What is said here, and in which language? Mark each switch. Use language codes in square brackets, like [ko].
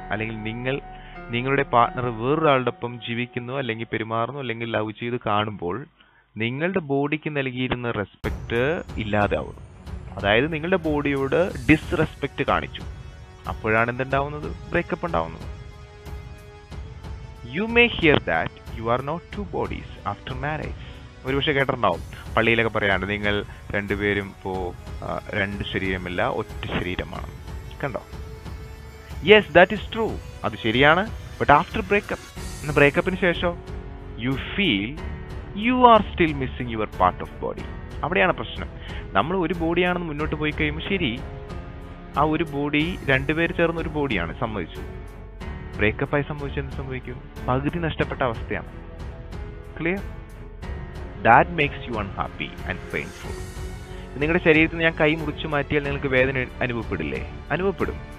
[ml] അല്ലെങ്കിൽ നിങ്ങളുടെ പാർട്ണർ വേറൊരാളോടൊപ്പം ജീവിക്കുന്നു അല്ലെങ്കിൽ പെരുമാറുന്നു അല്ലെങ്കിൽ ലവ് ചെയ്ത് കാണുമ്പോൾ നിങ്ങളുടെ ബോഡിക്ക് നൽകിയിരുന്ന റെസ്പെക്റ്റ് ഇല്ലാതെയാവുന്നു. അതായത് നിങ്ങളുടെ ബോഡിയോട് ഡിസ്റെസ്പെക്റ്റ് കാണിച്ചു, അപ്പോഴാണ് എന്തുണ്ടാവുന്നത്? ബ്രേക്കപ്പ് ഉണ്ടാവുന്നത്. [en] You may hear that you are not two bodies after marriage. [ml] ഒരു പക്ഷേ കേട്ടിട്ടുണ്ടാവും, പള്ളിയിലൊക്കെ പറയാണ്ട് നിങ്ങൾ രണ്ടുപേരും ഇപ്പോൾ രണ്ട് ശരീരമില്ല, ഒറ്റ ശരീരമാണ്, കണ്ടോ? [en] Yes, that is true. [ml] അത് ശരിയാണ്. [en] But after breakup, [ml] എന്ന ബ്രേക്കപ്പിന് ശേഷം [en] you feel you are still missing your part of body. [ml] അവിടെയാണ് പ്രശ്നം. നമ്മൾ ഒരു ബോഡിയാണെന്ന് മുന്നോട്ട് പോയി കഴിയുമ്പോൾ ശരി, ആ ഒരു ബോഡി രണ്ടുപേര് ചേർന്ന ഒരു ബോഡിയാണ് സംഭവിച്ചു. ബ്രേക്കപ്പ് ആയി സംഭവിച്ചു, എന്ത് സംഭവിക്കും? പകുതി നഷ്ടപ്പെട്ട അവസ്ഥയാണ്. Clear? [en] That makes you unhappy and painful. [ml] നിങ്ങളുടെ ശരീരത്തിൽ ഞാൻ കൈ മുറിച്ചു മാറ്റിയാൽ നിങ്ങൾക്ക് വേദന അനുഭവപ്പെടില്ലേ? അനുഭവപ്പെടും.